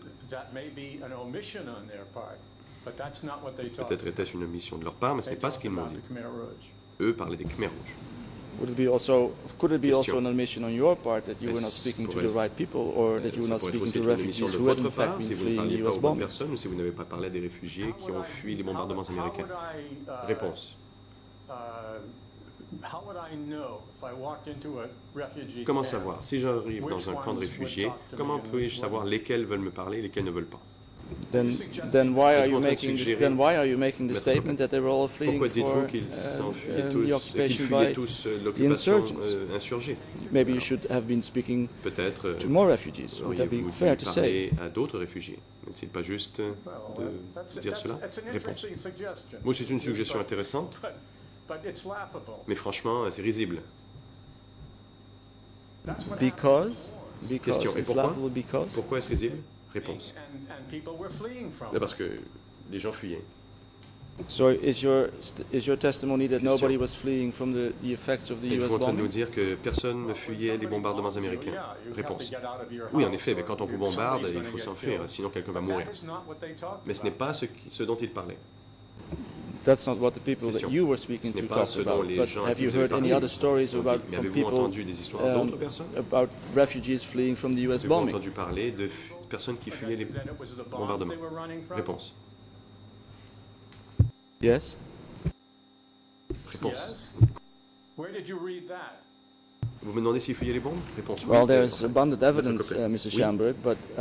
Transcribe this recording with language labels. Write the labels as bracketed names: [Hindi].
[English] That may be an omission on their part, but that's not what they talked. [French] Peut-être était-ce une omission de leur part, mais ce n'est pas ce qu'ils m'ont dit. Eux parlaient des Khmer Rouges. [English] Would it be also, could it be also an omission on your part that you were not speaking to the right people or that you were not speaking to refugees who had in fact been fleeing US bombs? [French] Ou si vous n'avez pas parlé à des réfugiés qui ont fui les bombardements américains? Réponse. [English] How would I know if I walk into a refugee camp? [French] Comment savoir si j'arrive dans un camp de réfugiés, comment puis-je savoir lesquels veulent me parler et lesquels ne veulent pas? [English] Then why are you making the statement that they were all fleeing for the occupation by the insurgents? Maybe you should have been speaking to more refugees. Would that be fair to say? [French] À d'autres réfugiés. N'est-il pas juste de dire cela? Réponse. Moi, c'est une suggestion intéressante. [English] But it's laughable. [French] Mais franchement, c'est risible. [English] Because [French] question. [English] It's laughable because. [French] Pourquoi est-ce risible? Réponse. [English] And people were fleeing from. [French] Là, parce que les gens fuyaient. [English] So is your testimony that [French] question. [English] Nobody was fleeing from the effects of the US bombing? [French] Vous êtes nous dire que personne ne fuyait les bombardements américains. Réponse. Oui, en effet, mais quand on vous bombarde, il faut s'enfuir, sinon quelqu'un va mourir. Mais ce n'est pas ce dont ils parlaient. [English] That's not what the people that you were speaking to talked about. But have you heard any other stories about from people about refugees fleeing from the U.S. bombing? [French] Avez-vous entendu parler de personnes qui fuyaient les bombardements? Réponse. [English] Yes. [French] Réponse. [English] Where did you read that? [French] Vous me demandez s'ils fuyaient les bombes? Réponse. [English] Well, there is abundant evidence, Mr. Schamberg, but